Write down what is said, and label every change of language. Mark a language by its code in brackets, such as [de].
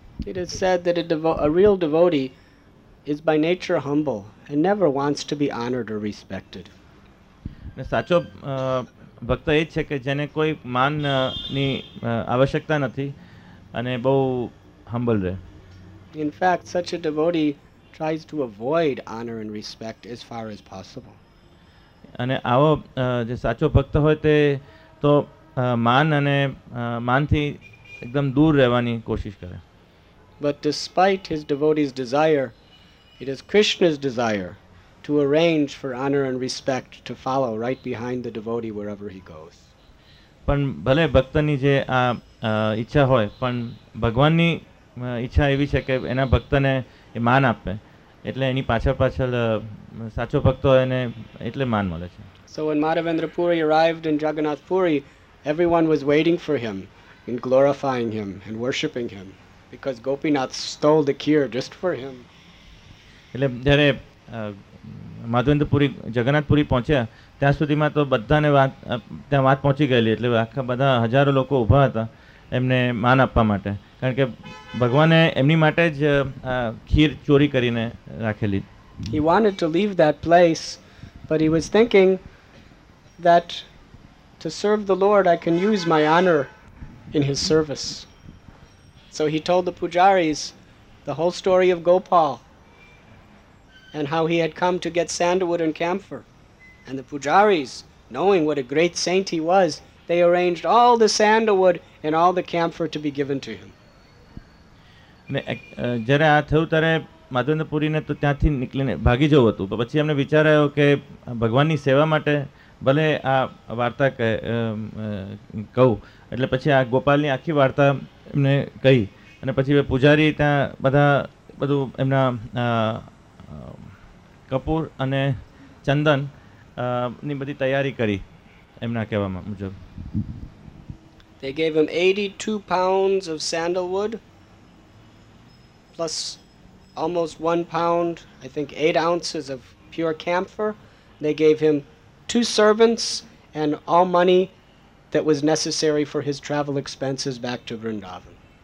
[en] It is said that a real devotee is by nature humble and never wants to be honored or respected. [gu] ને સાચો ભક્ત એ જ છે કે જેને કોઈ માનની આવશ્યકતા નથી અને બહુ હમ્બલ રહે. [en] In fact, such a devotee tries to avoid honor and respect as far as possible. [gu] અને આવો જે સાચો ભક્ત હોય તે તો માન અને માનથી એકદમ દૂર રહેવાની કોશિશ કરે. [en] But despite his devotee's desire, it is Krishna's desire to arrange for honor and respect to follow right behind the devotee wherever he goes. [gu] પણ ભલે ભક્તની જે આ ઈચ્છા હોય પણ ભગવાનની ઈચ્છા એવી છે કે એના ભક્તને એ માન આપે, એટલે એની પાછળ સાચો ભક્ત હોય એને એટલે માન મળે છે. [en] So when Madhavendra Puri arrived in Jagannath Puri, everyone was waiting for him and glorifying him and worshiping him because Gopinath stole the kheer just for him. [gu] એટલે જ્યારે માધવેન્દ્રપુરી જગન્નાથપુરી પહોંચ્યા ત્યાં સુધીમાં તો બધાને વાત ત્યાં વાત પહોંચી ગયેલી, એટલે આખા બધા હજારો લોકો ઊભા હતા એમને માન આપવા માટે, કારણ કે ભગવાને એમની માટે જ ખીર ચોરી કરીને રાખેલી. [en] He wanted to leave that place, but he was thinking that to serve the Lord I can use my honor in his service. So he told the pujaris the whole story of Gopal and how he had come to get sandalwood and camphor. And the pujaris, knowing what a great saint he was, they arranged all the sandalwood and all the camphor to be given to him. [gu] ને જ્યારે આ થયું ત્યારે માધવેન્દ્રપુરીને તો ત્યાંથી નીકળીને ભાગી જવું હતું, પછી એમને વિચાર આવ્યો કે ભગવાનની સેવા માટે ભલે આ વાર્તા કહું, એટલે પછી આ ગોપાલની આખી વાર્તા એમને કહી અને પછી પૂજારી ત્યાં બધા બધું એમના કપૂર અને ચંદન ની બધી તૈયારી કરી એમના કહેવામાં મુજબ. [en] They gave him 82 pounds of sandalwood plus almost 1 pound, I think 8 ounces of pure camphor. They gave him 2 servants and all money that was necessary for his travel expenses back to Vrindavan.